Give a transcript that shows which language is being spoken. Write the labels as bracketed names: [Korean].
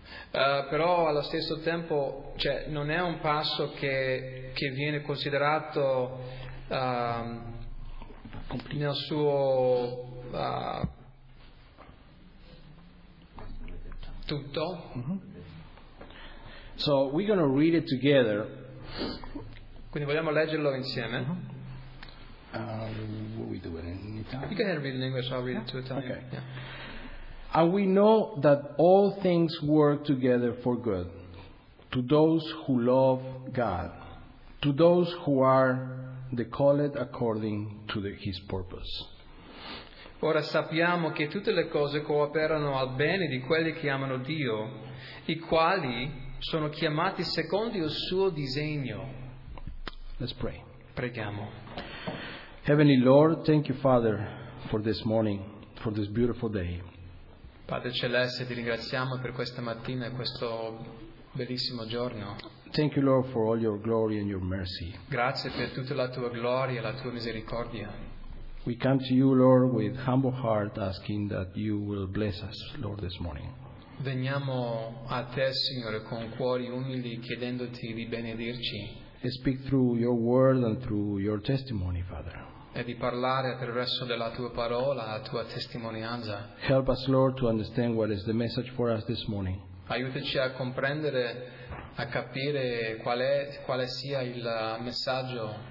[Italian] Però allo stesso tempo, cioè, non è un passo che viene considerato nel suo tutto. [English] Mm-hmm. So we're going to read it together. [Italian] Quindi vogliamo leggerlo insieme. [English] What are we doing in Italian? You can read it in English, I'll read it to Italian. Okay. Yeah. And we know that all things work together for good to those who love God, to those who are the called according to his purpose. [Italian] Ora sappiamo che tutte le cose cooperano al bene di quelli che amano Dio, i quali sono chiamati secondo il suo disegno. [English] Let's pray. [Italian] Preghiamo. [English] Heavenly Lord, thank you, Father, for this morning, for this beautiful day. [Italian] Padre Celeste, ti ringraziamo per questa mattina e questo bellissimo giorno. [English] Thank you, Lord, for all your glory and your mercy. [Italian] Grazie per tutta la tua gloria e la tua misericordia. [English] We come to you, Lord, with humble heart, asking that you will bless us, Lord, this morning. [Italian] Veniamo a te, Signore, con cuori umili, chiedendoti di benedirci. [English] Speak through your word and through your testimony, Father. [Italian] E di parlare attraverso della tua parola, la tua testimonianza. [English] Help us, Lord, to understand what is the message for us this morning. [Italian] Aiutaci a comprendere, a capire quale sia il messaggio.